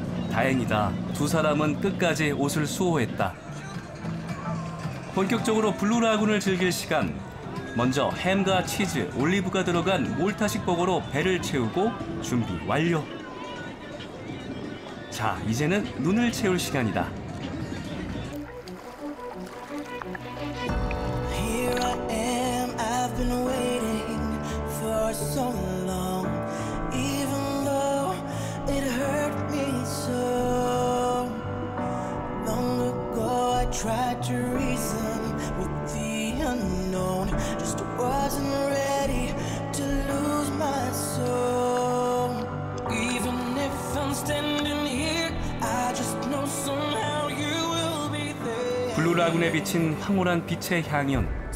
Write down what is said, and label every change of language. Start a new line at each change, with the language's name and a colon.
Korean: 다행이다. 두 사람은 끝까지 옷을 수호했다. 본격적으로 블루라군을 즐길 시간. 먼저 햄과 치즈, 올리브가 들어간 몰타식버거로 배를 채우고 준비 완료. 자, 이제는 눈을 채울 시간이다.
English: Here I am, I've been waiting for so long. Even though it hurt me so. Long ago I tried to reason with the unknown. Just wasn't ready to lose my soul. Even if I'm standing here, I just know somehow you will be there.
Korean: 블루라군에 비친 황홀한 빛의 향연.